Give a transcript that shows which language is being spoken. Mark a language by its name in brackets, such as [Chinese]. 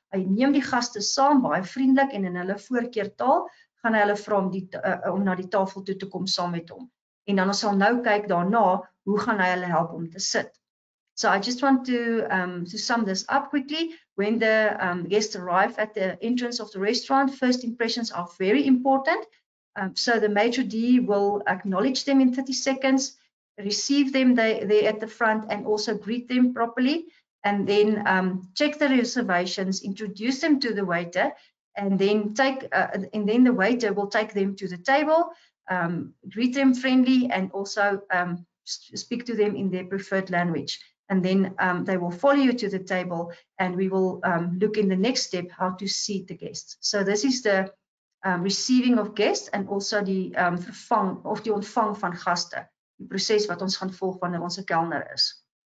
[Afrikaans] Hy neem die gaste saam baie vriendelik en in hulle voorkeurtaal gaan hy hulle vra om na die tafel toe te kom saam met hom. En dan ons sal nou kyk daarna hoe gaan hy hulle help om te sit. [English] So I just want to sum this up quickly. When the guests arrive at the entrance of the restaurant, first impressions are very important. So the maitre d' will acknowledge them in 30 seconds, receive them there at the front and also greet them properly. And then check the reservations, introduce them to the waiter, and then the waiter will take them to the table, greet them friendly and also speak to them in their preferred language. And then they will follow you to the table and we will look in the next step how to seat the guests. So this is the receiving of guests and also the vervang of [Afrikaans] die ontvang van gaste. Die proses wat ons gaan volg wanneer ons 'n kelner is.